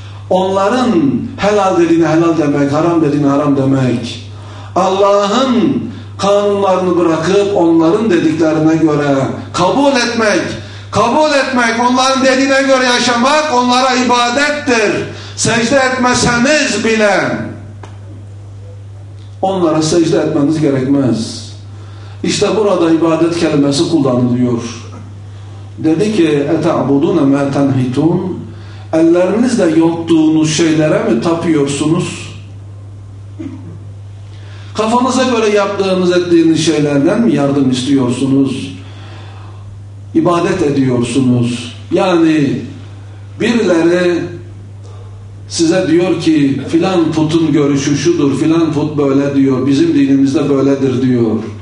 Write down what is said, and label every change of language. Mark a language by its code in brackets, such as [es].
[tr] Onların helal dediğine helal demek, haram dediğine haram demek, Allah'ın kanunlarını bırakıp onların dediklerine göre kabul etmek, kabul etmek, onların dediğine göre yaşamak onlara ibadettir. Secde etmeseniz bile onlara secde etmeniz gerekmez. İşte burada ibadet kelimesi kullanılıyor. Dedi ki, [ar] اَتَعْبُدُونَ مَا تَنْهِتُونَ. [tr] Ellerinizle yonttuğunuz şeylere mi tapıyorsunuz? Kafanıza göre yaptığınız, ettiğiniz şeylerden mi yardım istiyorsunuz? İbadet ediyorsunuz. Yani birileri size diyor ki, filan putun görüşü şudur, filan put böyle diyor, bizim dinimizde böyledir diyor.